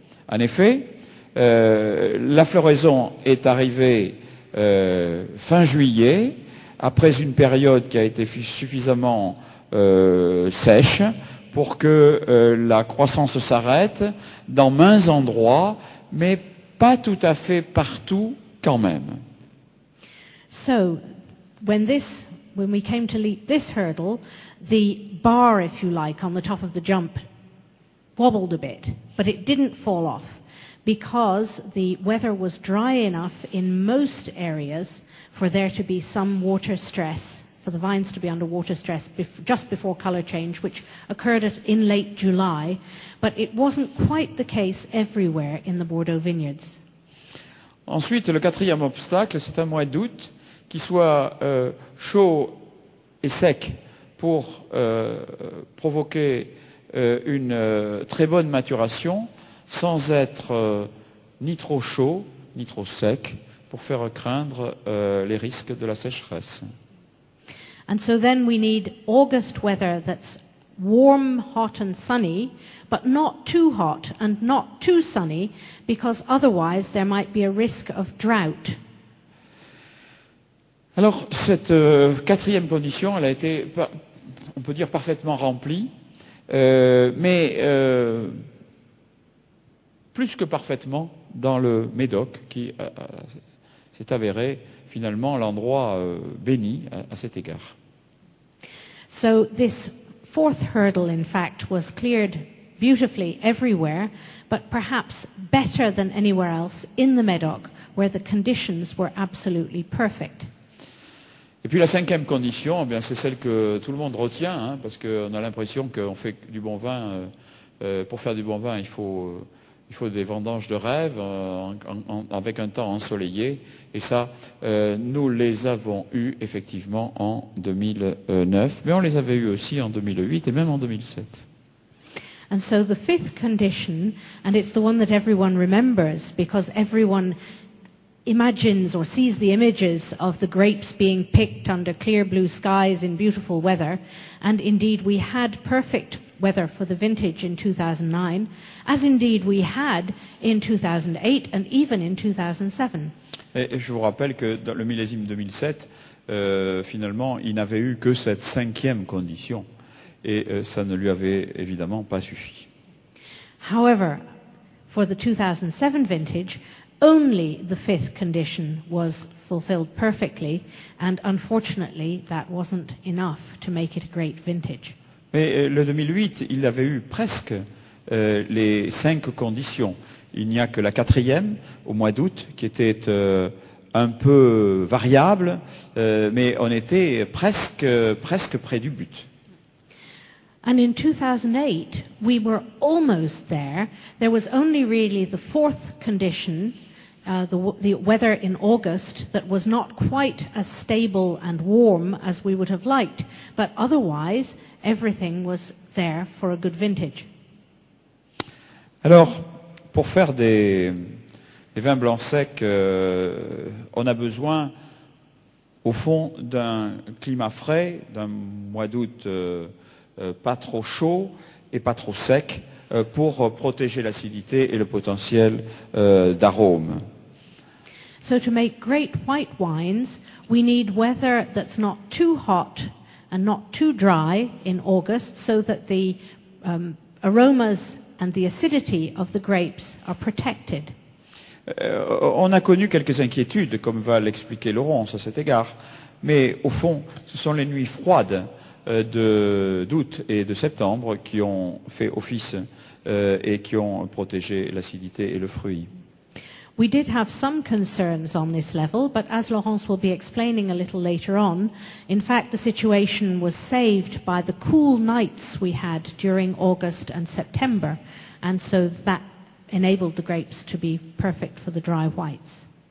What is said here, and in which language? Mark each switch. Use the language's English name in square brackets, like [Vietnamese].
[French] En effet, la floraison est arrivée fin juillet, après une période qui a été suffisamment sèche pour que la croissance s'arrête dans maints endroits, mais pas tout à fait partout quand même. [English] So, when we came to leap this hurdle, the bar, if you like, on the top of the jump wobbled a bit, but it didn't fall off because the weather was dry enough in most areas for there to be some water stress, for the vines to be under water stress just before color change, which occurred in late July, but it wasn't quite the case everywhere in the Bordeaux vineyards. [French] Ensuite, le quatrième obstacle, c'est un mois d'août qui soit chaud et sec pour provoquer une très bonne maturation sans être ni trop chaud ni trop sec pour faire craindre les risques de la sécheresse. [English] And so then we need August weather that's warm, hot and sunny, but not too hot and not too sunny, because otherwise there might be a risk of drought. [French] Alors, cette quatrième condition, elle a été, on peut dire, parfaitement remplie, mais plus que parfaitement dans le Médoc, qui s'est avéré finalement l'endroit béni à cet égard. [English] So this fourth hurdle, in fact, was cleared beautifully everywhere, but perhaps better than anywhere else in the Médoc, where the conditions were absolutely perfect. [French] Et puis la cinquième condition, eh bien, c'est celle que tout le monde retient, hein, parce qu'on a l'impression qu'on fait du bon vin. Pour faire du bon vin, il faut des vendanges de rêve avec un temps ensoleillé. Et ça, nous les avons eus effectivement en 2009, mais on les avait eus aussi en 2008 et même en 2007. [English] And so the fifth condition, and it's the one that everyone remembers, because everyone imagines or sees the images of the grapes being picked under clear blue skies in beautiful weather, and indeed we had perfect weather for the vintage in 2009, as indeed we had in 2008 and even in 2007. [French] Et je vous rappelle que dans le millésime 2007, finalement, il n'avait eu que cette cinquième condition, et ça ne lui avait évidemment pas suffi. [English] However, for the 2007 vintage, only the fifth condition was fulfilled perfectly, and unfortunately, that wasn't enough to make it a great vintage. [French] Mais le 2008, il avait eu presque les cinq conditions. Il n'y a que la quatrième, au mois d'août, qui était un peu variable, mais on était presque près du but. [English] And in 2008, we were almost there. There was only really the fourth condition, the weather in August, that was not quite as stable and warm as we would have liked. But otherwise, everything was there for a good vintage. [French] Alors, pour faire des vins blancs secs, on a besoin, au fond, d'un climat frais, d'un mois d'août pas trop chaud et pas trop sec, pour protéger l'acidité et le potentiel d'arôme. [English] So to make great white wines, we need weather that's not too hot and not too dry in August, so that the aromas and the acidity of the grapes are protected. [French] On a connu quelques inquiétudes, comme va l'expliquer Laurence à cet égard, mais au fond, ce sont les nuits froides d'août et de septembre qui ont fait office et qui ont protégé l'acidité et le fruit. [English] We did have some concerns on this level, but as Laurence will be explaining a little later on, in fact the situation was saved by the cool nights we had during August and September, and so that enabled the grapes to be perfect for the dry whites.